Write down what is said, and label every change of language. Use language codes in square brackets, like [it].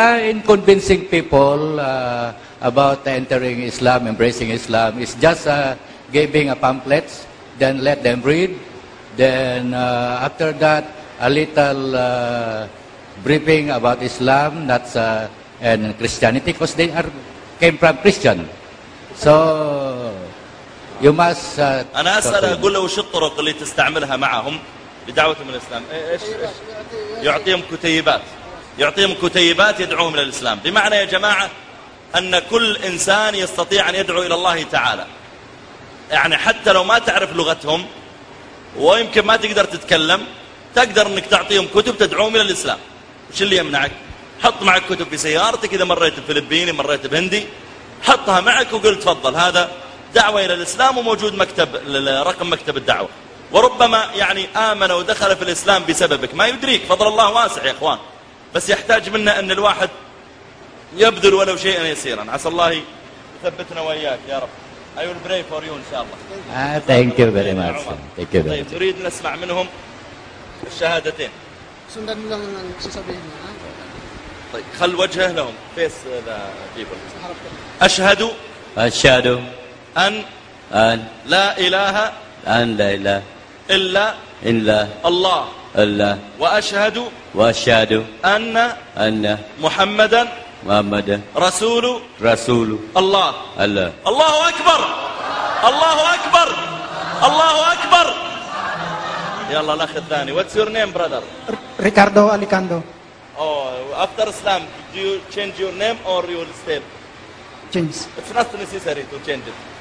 [en] In convincing people about entering Islam, embracing Islam, is just giving a pamphlet, then let them read, then after that a little briefing about Islam, that's and Christianity, because they came from Christian. So you must. [ar] أنا أسأل أقول له وش الطرق اللي تستعملها معهم لدعوتهم الإسلام؟ إيش يعطيهم كتيبات. يعطيهم كتيبات يدعوهم للإسلام. بمعنى يا جماعة أن كل إنسان يستطيع أن يدعو إلى الله تعالى. يعني حتى لو ما تعرف لغتهم ويمكن ما تقدر تتكلم تقدر أنك تعطيهم كتب تدعوهم إلى الإسلام. وش اللي يمنعك؟ حط معك كتب في سيارتك إذا مريت بفلبيني مريت بهندي حطها معك وقل تفضل هذا دعوة إلى الإسلام وموجود مكتب رقم مكتب الدعوة وربما يعني آمن ودخل في الإسلام بسببك ما يدريك فضل الله واسع يا إخوان بس يحتاج منا أن الواحد يبذل ولو شيئا يسيرا عسى الله يثبتنا وإياك يا رب [en] I will pray for you [ar] إن شاء الله [en] Thank you very much Thank you very much. [ar] طيب نريد نسمع منهم الشهادتين سندن لهم شو سبيه معا طيب خل وجهه لهم [en] face the people [ar] أشهد أشهد أن لا إله أن لا إله إلا إلا الله الله وأشهد وأشهد أن محمدا محمدا رسول رسول الله الله الله أكبر الله أكبر الله أكبر يلا الأخ الثاني [en] What's your name brother? Ricardo Alicando. Oh, after Islam, do you change your name or you will stay? Change. It's not necessary to change it.